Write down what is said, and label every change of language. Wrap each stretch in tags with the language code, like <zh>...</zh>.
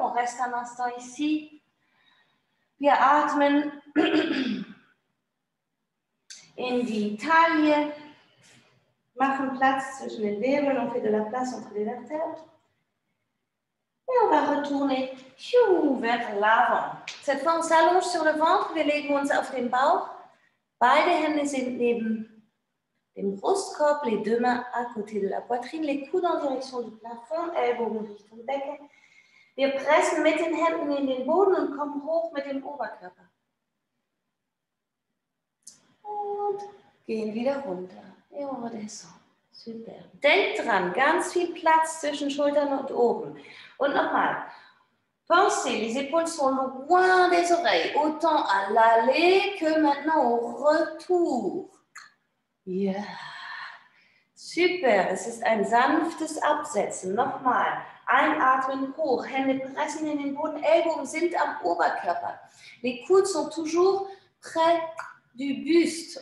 <fr>On reste un instant ici.</fr> <de>Wir atmen in die Taille. Machen Platz zwischen den Wirbeln und</de> <fr>fait de la place entre les vertèbres. Et on va retourner vers l'avant. Cette fois, on s'allonge sur le ventre.</fr> <de>Wir legen uns auf den Bauch. Beide Hände sind neben dem Brustkorb.</de> <fr>Les deux mains à côté de la poitrine. Les coudes en direction du plafond.</fr> <de>Ellbogen Richtung Decke. Wir pressen mit den Händen in den Boden und kommen hoch mit dem Oberkörper. Und gehen wieder runter.</de> <fr>Et on redescend.</fr> <de>Super. Denkt dran, ganz viel Platz zwischen Schultern und oben. Und nochmal.</de> <fr>Pensez, les épaules sont loin des oreilles. Autant à l'aller que maintenant au retour. Yeah. Super.</fr> <de>Es ist ein sanftes Absetzen. Nochmal. Einatmen hoch, Hände pressen in den Boden, Ellbogen sind am Oberkörper.</de> <fr>Les coudes sont toujours près du buste.</fr>